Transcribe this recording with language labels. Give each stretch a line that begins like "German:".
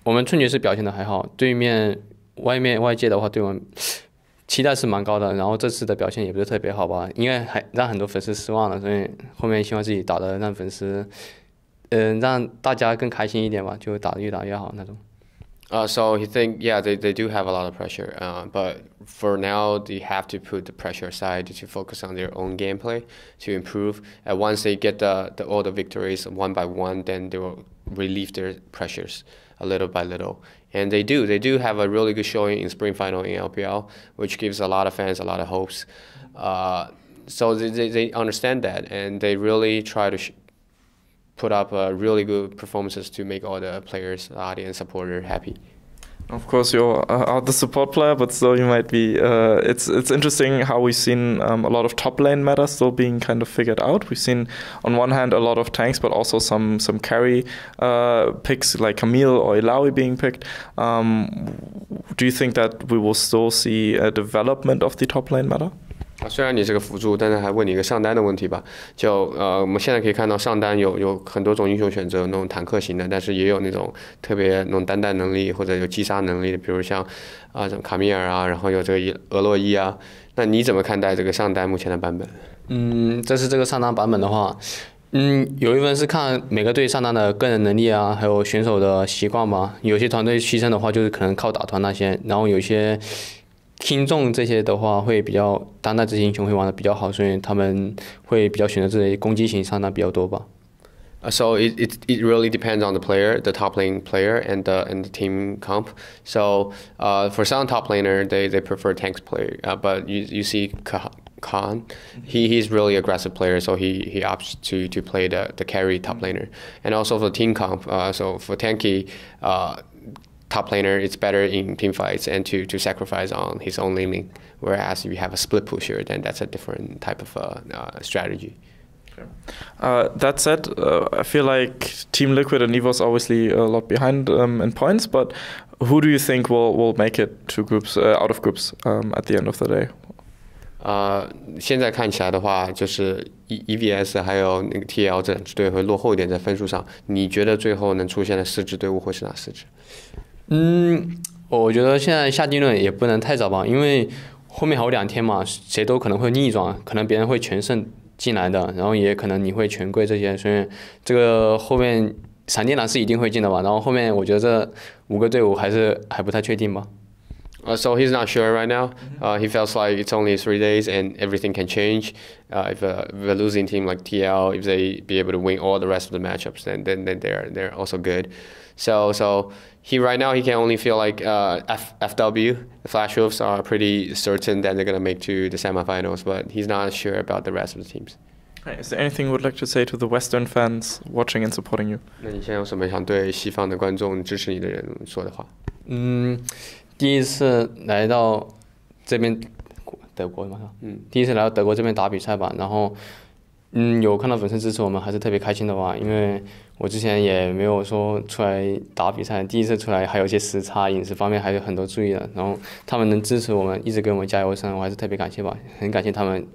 Chinese: EDG，那你会不会给你们额外的压力？我觉得压力还是有的吧，只是我们会就把压力放在一边，然后真正给我们的时候，可能是我们觉得我们要自己打好，不要去管这些压力吧。自己打好的话，这压力也因为我们赢的每一场比赛胜利的话，就会一点一点消失这些压力吧。然后还有一部分的话，我们春决是表现的还好，对面。外界的话，对我们期待是蛮高的。然后这次的表现也不是特别好吧，应该还让很多粉丝失望了。所以后面希望自己打得让粉丝，让大家更开心一点吧，就打得越打越好那种。
English: So he think yeah they do have a lot of pressure. But for now they have to put the pressure aside to focus on their own gameplay to improve. And once they get the all the victories one by one, then they will relieve their pressures a little by little. And they do have a really good showing in spring final in LPL, which gives a lot of fans a lot of hopes. so they understand that, and they really try to put up really good performances to make all the players, audience, supporter happy. Of course, you are the support player, but still you might be. It's interesting how we've seen a lot of top lane meta still being kind of figured out. We've seen, on one hand, a lot of tanks, but also some carry picks like Camille or Illaoi being picked. Do you think that we will still see a development of the top lane meta?
Chinese: 虽然你是个辅助，但是还问你一个上单的问题吧。就我们现在可以看到上单有很多种英雄选择，那种坦克型的，但是也有那种特别那种单弹能力或者有击杀能力的，比如像什么卡米尔啊，然后有这个俄洛伊啊。那你怎么看待这个上单目前的版本？这是这个上单版本的话，有一份是看每个队上单的个人能力啊，还有选手的习惯吧。有些团队牺牲的话，就是可能靠打团那些，然后有些。听众这些的话会比较当代这些英雄会玩的比较好，所以他们会比较选择这些攻击型上单比较多吧。
English: So it really depends on the player, the top lane player and the team comp. So for some top laner, they prefer tanks player, but you see Khan, he's really aggressive player, so he opts to play the carry top laner. And also for team comp, so for tanky, top laner is better in team fights and to sacrifice on his own laning. Whereas if you have a split pusher, then that's a different type of strategy. That said, I feel like Team Liquid and EVO's obviously a lot behind in points, but who do you think will make it to groups out of groups at the end of the day?
Chinese: 现在看起来的话，就是 EVS 还有那个 TL 这两支队会落后一点在分数上。你觉得最后能出现的四支队伍会是哪四支？我觉得现在下定论也不能太早吧，因为后面还有两天嘛，谁都可能会逆转，可能别人会全胜进来的，然后也可能你会全跪这些，所以这个后面闪电狼是一定会进的吧，然后后面我觉得这五个队伍还不太确定吧。
English: So he's not sure right now. He feels like it's only 3 days and everything can change. If a losing team like TL, if they be able to win all the rest of the matchups, then they're also good. So he right now he can only feel like FW, the Flash Wolves are pretty certain that they're gonna make to the semifinals, but he's not sure about the rest of the teams. Is there anything you would like to say to the Western fans watching and supporting you?
Chinese: 那你现在有什么想对西方的观众支持你的人说的话？第一次来到这边德国嘛，第一次来到德国这边打比赛吧，然后有看到粉丝支持我们还是特别开心的吧，因为我之前也没有说出来打比赛，第一次出来还有一些时差，饮食方面还有很多注意的，然后他们能支持我们一直给我们加油声，我还是特别感谢吧，很感谢他们。